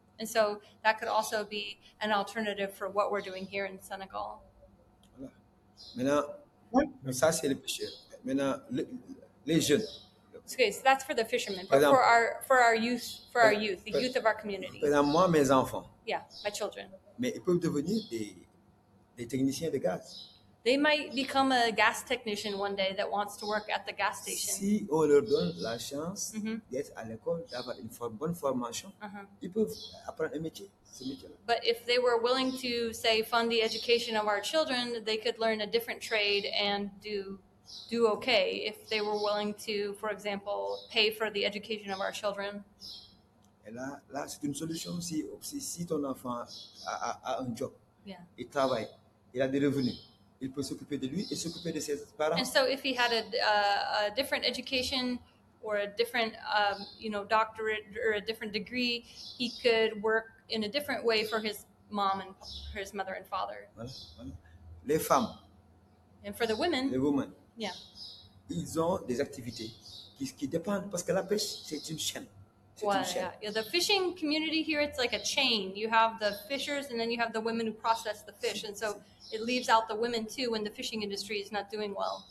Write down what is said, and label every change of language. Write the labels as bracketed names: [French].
[English] And so that could also be an alternative for what we're doing here in Senegal. [French] Ça, c'est le pêcheur. Maintenant, les jeunes. [English] Okay, so that's for the fishermen. But exemple, for our youth, the youth of our community. [French] Par exemple, moi, mes enfants. [English] Yeah, my children. [French] Mais ils peuvent devenir des techniciens de gaz. [English] They might become a gas technician one day that wants to work at the gas station. [French] Si on leur donne la chance d'être à l'école, d'avoir une bonne formation, ils peuvent apprendre un métier, ce métier-là. [English] But if they were willing to, say, fund the education of our children, they could learn a different trade and do okay if they were willing to, for example, pay for the education of our children. [French] Et là c'est une solution si ton enfant a un job, [English] yeah. [French] Il travaille, il a des revenus. Il peut s'occuper de lui et s'occuper de ses parents. [English] And so if he had a different education or a different, you know, doctorate or a different degree, he could work in a different way for his mom and for his mother and father. [French] Voilà. Les femmes. [English] And for the women. Les women. Yeah. [French] Ils ont des activités qui dépendent, parce que la pêche, c'est une chaîne. [English] Yeah, the fishing community here, it's like a chain. You have the fishers and then you have the women who process the fish. And so it leaves out the women too when the fishing industry is not doing well.